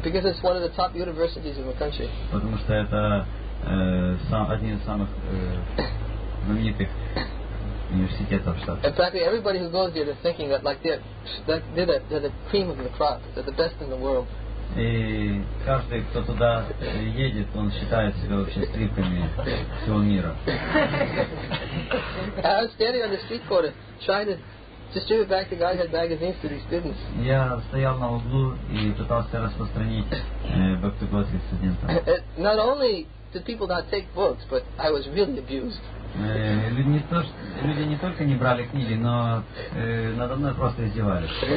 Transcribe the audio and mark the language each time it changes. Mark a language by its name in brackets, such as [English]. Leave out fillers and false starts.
[English] Because it's one of the top universities in the country. [Russian] Потому что это один из самых знаменитых. [English] And practically everybody who goes there is thinking that like they're the cream of the crop, they're the best in the world. [Russian] И каждый, кто туда едет, он считает себя вообще стрипками всего мира. [English] I was standing on the street corner trying to distribute back the Godhead magazines to these students. [Russian] Я стоял на углу и пытался распространить Back to Godhead студентам. [English] Not only did people not take books, but I was really abused. [Russian] Люди не только не брали книги, но надо мной просто издевались.